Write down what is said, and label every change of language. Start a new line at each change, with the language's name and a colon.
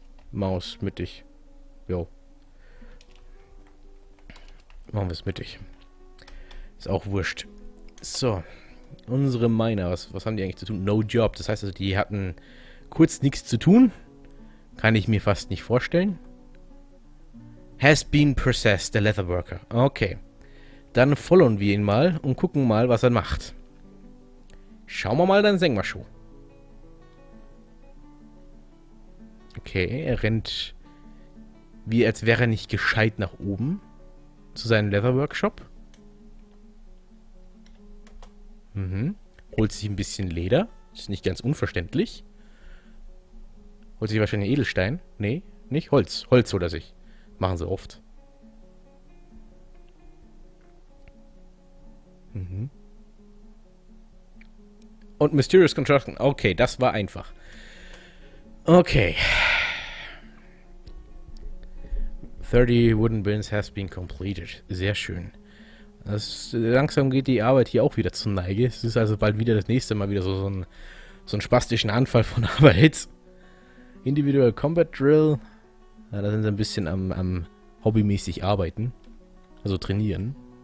German: Maus mittig. Jo. Machen wir es mittig. Ist auch wurscht. So, unsere Miner, was haben die eigentlich zu tun?
English: No Job.
German: Das heißt also, die hatten kurz nichts zu tun. Kann ich mir fast nicht vorstellen.
English: Has been possessed, the Leatherworker.
German: Okay. Dann folgen wir ihn mal und gucken mal, was er macht. Schauen wir mal, dann sehen wir schon. Okay, er rennt wie als wäre er nicht gescheit nach oben. zu seinem Leather Workshop. Holt sich ein bisschen Leder. Ist nicht ganz unverständlich. Holt sich wahrscheinlich Edelstein. Nee, nicht Holz. Holz holt er sich. Machen sie oft. Und Mysterious Construction. Okay, das war einfach. Okay.
English: 30 wooden bins has been completed.
German: Sehr schön. Das, langsam geht die Arbeit hier auch wieder zur Neige. Es ist also bald wieder das nächste Mal wieder so ein spastischen Anfall von Arbeit. Individual Combat Drill. Ja, da sind sie ein bisschen am hobbymäßig arbeiten. Also trainieren.